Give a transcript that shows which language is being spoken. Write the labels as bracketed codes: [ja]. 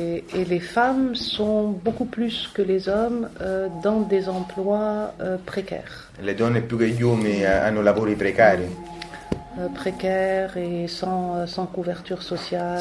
[fr] Et les femmes sont beaucoup plus que les hommes dans des emplois précaires. [it] Le donne più che gli uomini hanno lavori precari. [fr] Précaires et sans couverture sociale.